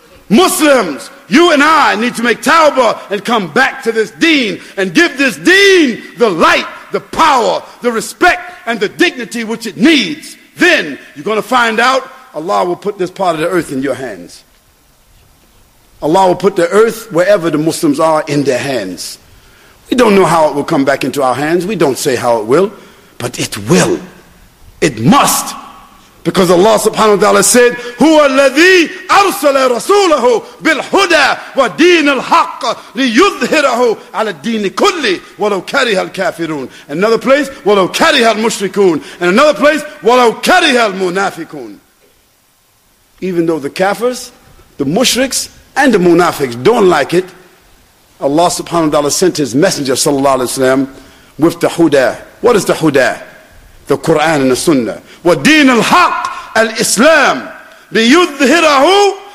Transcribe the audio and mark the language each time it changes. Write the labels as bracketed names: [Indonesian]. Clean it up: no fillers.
[English] Muslims, you and I need to make tawbah and come back to this deen and give this deen the light, the power, the respect, and the dignity which it needs. Then you're going to find out Allah will put this part of the earth in your hands. Allah will put the earth wherever the Muslims are in their hands. We don't know how it will come back into our hands. We don't say how it will. But it will. It must. Because Allah subhanahu wa ta'ala said, [Arabic] هُوَ الَّذِي أَرْسَلَ رَسُولَهُ بِالْهُدَى وَدِينَ الْحَقَّ لِيُظْهِرَهُ عَلَى الدِّينِ كُلِّ وَلَوْ كَرِهَ الْكَافِرُونَ. [English] Another place, [Arabic] وَلَوْ كَرِهَ الْمُشْرِكُونَ. [English] And another place, [Arabic] وَلَوْ كَرِهَ الْمُنَافِكُونَ. [English] Even though the kafirs, the mushriks, and the munafiks don't like it, Allah subhanahu wa ta'ala sent His Messenger sallallahu alayhi wa sallam with the huda. What is the huda? The Quran and the Sunnah. [Arabic] وَدِينَ الْحَقِّ الْإِسْلَامِ لِيُذْهِرَهُ.